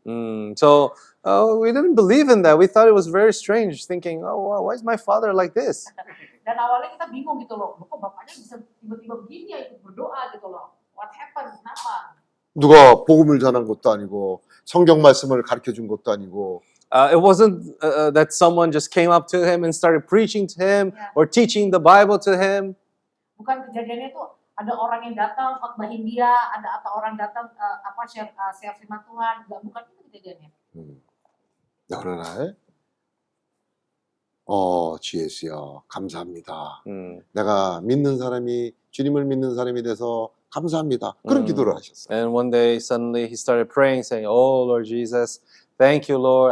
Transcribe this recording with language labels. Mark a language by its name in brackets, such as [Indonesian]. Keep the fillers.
[English] 음, so uh, we didn't believe in that. We thought it was very strange, thinking, oh, wow, why is my father like this? [Indonesian] dan awalnya kita bingung gitu loh kok bapaknya bisa tiba-tiba begini ya ikut berdoa gitu loh [English] what happened [Indonesian] kenapa [Korean] 누가 복음을 전한 것도 아니고 성경 말씀을 가르쳐 준 것도 아니고 [English] Uh, it wasn't uh, that someone just came up to him and started preaching to him yeah. or teaching the Bible to him. [Indonesian] Bukan kejadiannya itu ada orang yang datang khotbahin dia, ada atau orang datang uh, apa share uh, share firman Tuhan, enggak bukan itu kejadiannya. Hmm. Ya, benar. [Korean] 어, GS여, 감사합니다. 내가 믿는 사람이, 주님을 믿는 사람이 돼서 감사합니다. 그런 기도를 하셨어 [English] And one day suddenly he started praying, saying, Oh Lord Jesus, thank you, Lord.